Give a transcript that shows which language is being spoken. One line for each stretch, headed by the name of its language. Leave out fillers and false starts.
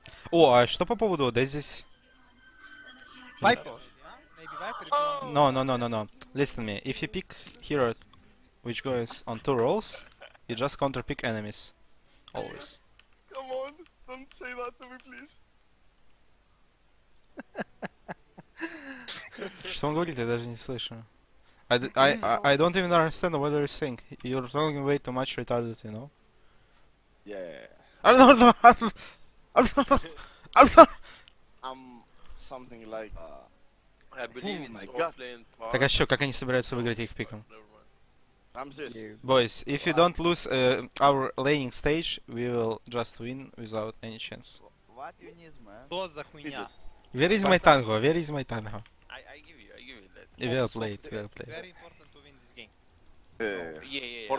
Russian: О, а что по поводу Дэ здесь?
English: Viper. No. Listen to me. If you pick hero which goes on two rolls, you just counter pick enemies. Always. Come on, don't say that to me, please.
Russian: Что он говорит, я даже не слышу.
English: I don't even understand what you're saying. You're talking way too much retarded, you know? Yeah. I'm something like I believe it's offline part.
Russian: Так а что, как они собираются выиграть их пиком?
English: Ramzes. Boys, if you don't lose our laning stage, we will just win without any chance. What you need, man?
Russian: Что за хуйня?
English: Where is my tango? Where is my tango? I give you that. Very important to win this game. Yeah.